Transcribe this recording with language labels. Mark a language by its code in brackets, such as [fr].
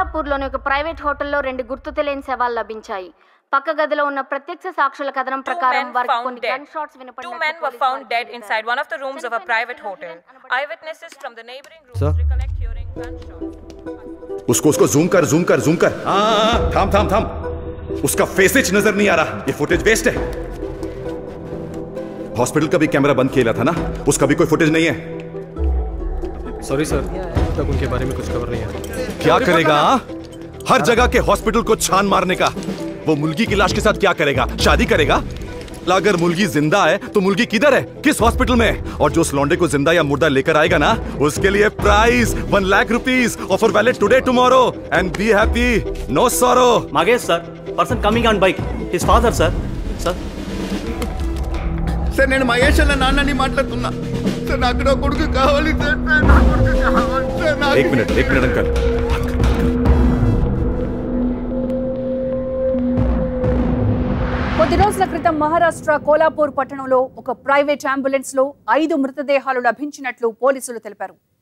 [te] లోని ఒక ప్రైవేట్ హోటల్లో రెండు గుర్తు తెలియని శవాలు లభించాయి. పక్క గదిలో ఉన్న ప్రత్యక్ష సాక్షుల కథనం ప్రకారం వారికి కొన్ని gun shots వినపడ్డాయి. [en] Two men were found dead inside one of the rooms of a private hotel. Eyewitnesses from the neighboring rooms recollect hearing gunshots. [hi] उसको zoom कर, zoom कर, zoom कर. हां, थाम थाम थाम. उसका फेस ही नजर नहीं आ रहा. ये फुटेज वेस्ट है. हॉस्पिटल का भी कैमरा बंद किया था ना, उसका भी कोई फुटेज नहीं है. सॉरी सर, तब उनके बारे में कुछ खबर नहीं है। क्या करेगा हर जगह के हॉस्पिटल को छान मारने का? वो मुलगी की लाश के साथ क्या करेगा? शादी करेगा? अगर मुलगी जिंदा है तो मुलगी किधर है, किस हॉस्पिटल में? और जो उस लौंडे को जिंदा या मुर्दा लेकर आएगा ना, उसके लिए price 1 lakh rupees, [en] Offer valid today tomorrow, and be happy, no sorrow. Magesh sir, person coming on bike, his father sir. [hi] Sir [te] sir నేను మహేష్ అన్న నాన్నని మాట్లాడుతున్నా సార్, నాకు నా కొడుకు కావాలి సార్, నా కొడుకు కావాలి సార్, నా [en] 1 minute [te] అంకల్ కొద్ది రోజుల క్రితం మహారాష్ట్ర కోలాపూర్ పట్టణంలో ఒక ప్రైవేట్ అంబులెన్స్ లో 5 మృతదేహాలు లభించినట్లు పోలీసులు తెలిపారు.